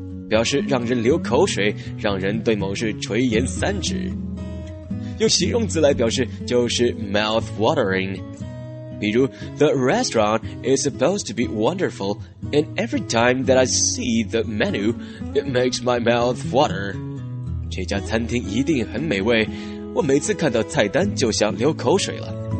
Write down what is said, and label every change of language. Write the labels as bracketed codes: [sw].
[zh] 表示让人流口水，让人对某事垂涎三尺。用形容词来表示就是 [en] mouth watering. [zh] 比如 [en] the restaurant is supposed to be wonderful. And every time that I see the menu, it makes my mouth water. [zh] 这家餐厅一定很美味，我每次看到菜单就想流口水了。